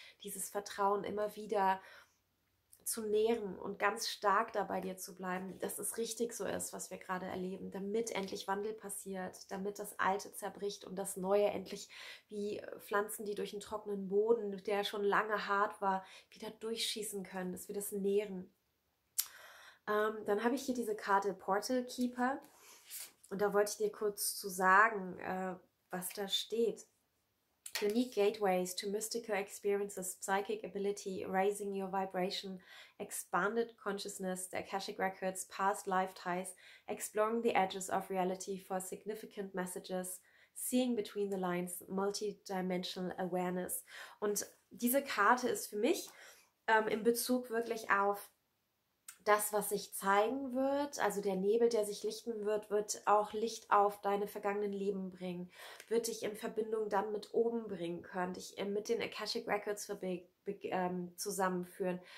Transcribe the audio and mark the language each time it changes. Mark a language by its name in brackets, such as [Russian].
[German] Dieses Vertrauen immer wieder zu nähren und ganz stark dabei dir zu bleiben, dass es richtig so ist, was wir gerade erleben, damit endlich Wandel passiert, damit das Alte zerbricht und das Neue endlich wie Pflanzen, die durch einen trockenen Boden, der schon lange hart war, wieder durchschießen können, dass wir das nähren. Dann habe ich hier diese Karte Portal Keeper und da wollte ich dir kurz zu sagen, was da steht. [English] Unique gateways to mystical experiences, psychic ability, raising your vibration, expanded consciousness, the Akashic Records, past life ties, exploring the edges of reality for significant messages, seeing between the lines, multidimensional awareness. [German] Und diese Karte ist für mich in Bezug wirklich auf das, was sich zeigen wird, also der Nebel, der sich lichten wird, wird auch Licht auf deine vergangenen Leben bringen, wird dich in Verbindung dann mit oben bringen können, dich mit den Akashic Records zusammenführen.